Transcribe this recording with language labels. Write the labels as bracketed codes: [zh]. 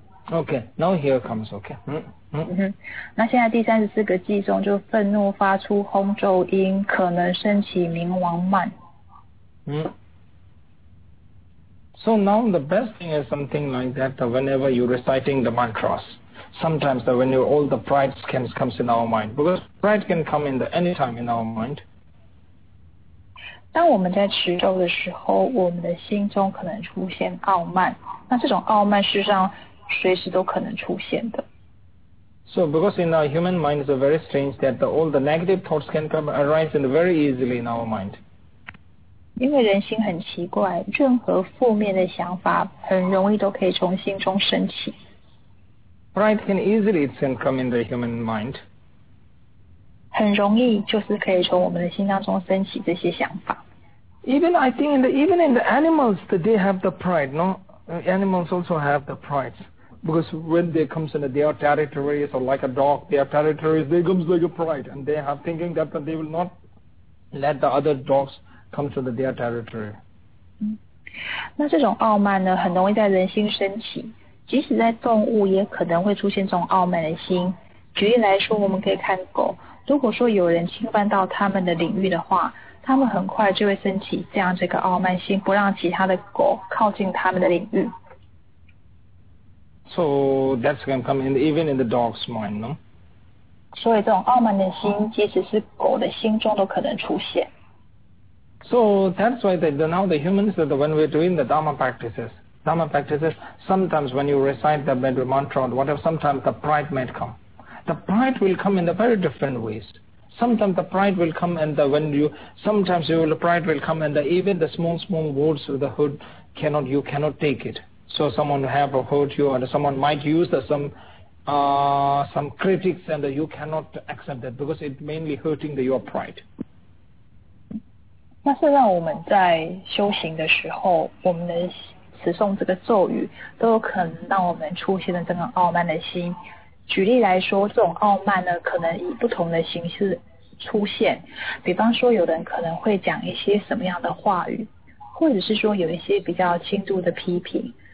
[en] Okay, now here comes, okay. [zh] 那现在第34个偈颂就愤怒发出轰咒音，可能升起冥王慢。 [en] So now the best thing is something like that whenever you're reciting the mantras sometimes that when you, all the pride can comes in our mind, because pride can come in the anytime in our mind. [zh] 当我们在持咒的时候，我们的心中可能出现傲慢，那这种傲慢事实上随时都可能出现的。 [en] So because in our human mind is very strange that the, all the negative thoughts can come arise in very easily in our mind. [zh] 因为人心很奇怪，任何负面的想法很容易都可以从心中升起。 [en] Pride can easily come in the human mind. [zh] 很容易就是可以从我们的心当中升起这些想法。 [en] Even I think in the, even in the animals that they have the pride, no? Animals also have the pride. Because when they come into their territories, or like a dog, their territories, they come like a pride, and they are thinking that they will not let the other dogs come to the, their territory. [zh] 那这种傲慢呢，很容易在人心升起，即使在动物也可能会出现这种傲慢的心。举例来说，我们可以看狗，如果说有人侵犯到他们的领域的话，他们很快就会升起这样这个傲慢心，不让其他的狗靠近他们的领域。 [en] So that's going to come in, even in the dog's mind, no? [zh] 所以这种傲慢的心，即使是狗的心中都可能出现。 [en] So that's why the, now the humans, that when we're doing the Dharma practices, sometimes when you recite the mantra or whatever, sometimes the pride might come. The pride will come in a very different ways. Sometimes the pride will come and the, when you, sometimes you, the pride will come and the, even the small words of the hood cannot, you cannot take it. So someone have hurt you, or someone might use the, some critics, and you cannot accept that because it mainly hurting the, your pride. [zh] 那是让我们在修行的时候，我们的持诵这个咒语，都有可能让我们出现的这个傲慢的心。举例来说，这种傲慢呢，可能以不同的形式出现。比方说，有人可能会讲一些什么样的话语，或者是说有一些比较轻度的批评。